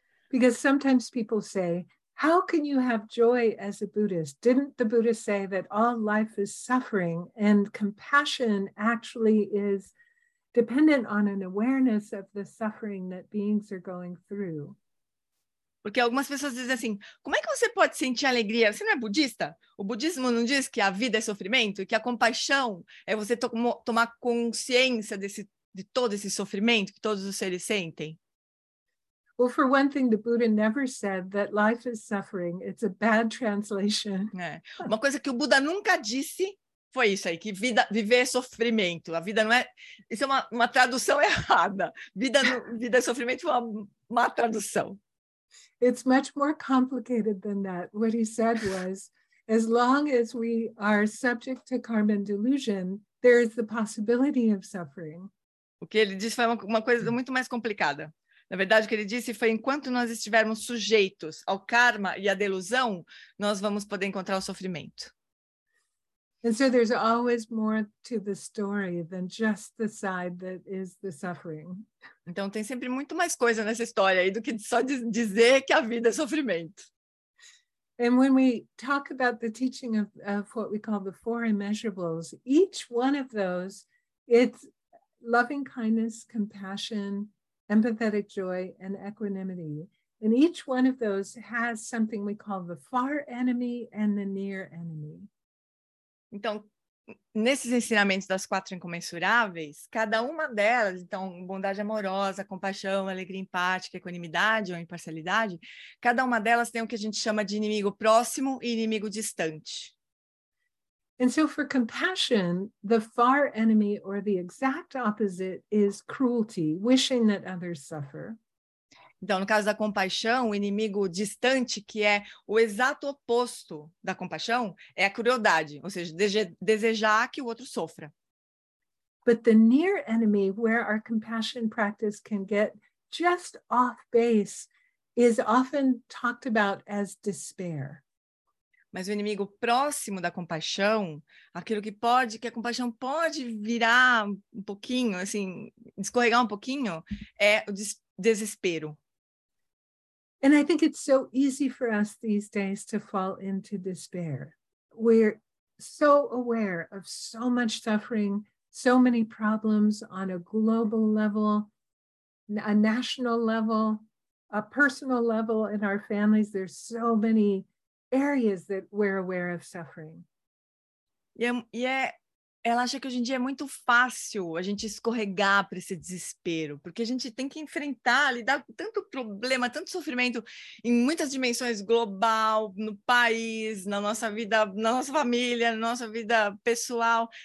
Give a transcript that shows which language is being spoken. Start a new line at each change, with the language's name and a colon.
English: Because sometimes people say, how can you have joy as a Buddhist? Didn't the Buddha say that all life is suffering and compassion actually is dependent on an awareness of the suffering that beings are going through?
Portuguese: Porque algumas pessoas dizem assim, como é que você pode sentir alegria? Você não é budista? O budismo não diz que a vida é sofrimento? Que a compaixão é você tomar consciência de todo esse sofrimento que todos os seres sentem?
English: Well, for one thing, the Buddha never said that life is suffering. It's a bad translation.
Portuguese: Uma coisa que o Buda nunca disse foi isso aí, que viver é sofrimento. A vida não é... Isso é uma tradução errada. Vida é sofrimento, foi uma má tradução.
English: It's much more complicated than that. What he said was, as long as we are subject to karma and delusion, there is the possibility of suffering.
Portuguese: O que ele disse foi uma coisa muito mais complicada. Na verdade, o que ele disse foi, enquanto nós estivermos sujeitos ao karma e à delusão, nós vamos poder encontrar o sofrimento.
English: And so there's always more to the story than just the side that is the suffering.
Portuguese: Então tem sempre muito mais coisa nessa história aí do que só dizer que a vida é sofrimento.
English: And when we talk about the teaching of what we call the four immeasurables, each one of those, it's loving kindness, compassion, empathetic joy, and equanimity. And each one of those has something we call the far enemy and the near enemy.
Portuguese: Então, nesses ensinamentos das quatro incomensuráveis, cada uma delas, então, bondade amorosa, compaixão, alegria empática, equanimidade ou imparcialidade, cada uma delas tem o que a gente chama de inimigo próximo e inimigo distante.
English: And so for compassion, the far enemy or the exact opposite is cruelty, wishing that others suffer.
Portuguese: Então, no caso da compaixão, o inimigo distante, que é o exato oposto da compaixão, é a crueldade, ou seja, desejar que o outro sofra.
English: But the near enemy, where our compassion practice can get just off base, is often talked about as despair.
Portuguese: Mas o inimigo próximo da compaixão, aquilo que a compaixão pode virar um pouquinho, assim, escorregar um pouquinho, é o desespero.
English: And I think it's so easy for us these days to fall into despair. We're so aware of so much suffering, so many problems on a global level, a national level, a personal level in our families. There's so many areas that we're aware of suffering.
Portuguese: Ela acha que hoje em dia é muito fácil a gente escorregar para esse desespero, porque a gente tem que enfrentar, lidar com tanto problema, tanto sofrimento em muitas dimensões, global, no país, na nossa vida, na nossa família, na nossa vida pessoal.